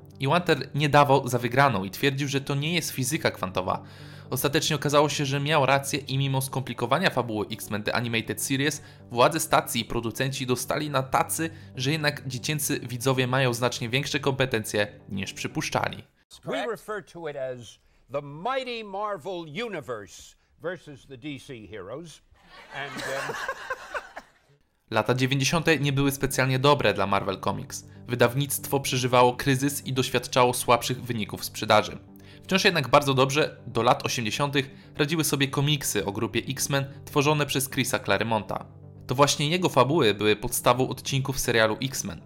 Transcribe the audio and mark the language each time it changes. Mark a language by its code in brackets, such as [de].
[pl] Evanter nie dawał za wygraną i twierdził, że to nie jest fizyka kwantowa. Ostatecznie okazało się, że miał rację i mimo skomplikowania fabuły X-Men The Animated Series, władze stacji i producenci dostali na tacy, że jednak dziecięcy widzowie mają znacznie większe kompetencje niż przypuszczali. [en] We refer to it as the mighty Marvel Universe versus the DC Heroes. And then... [pl] Lata 90. nie były specjalnie dobre dla Marvel Comics. Wydawnictwo przeżywało kryzys i doświadczało słabszych wyników sprzedaży. Wciąż jednak bardzo dobrze do lat 80. radziły sobie komiksy o grupie X-Men tworzone przez Chrisa Claremonta. To właśnie jego fabuły były podstawą odcinków serialu X-Men.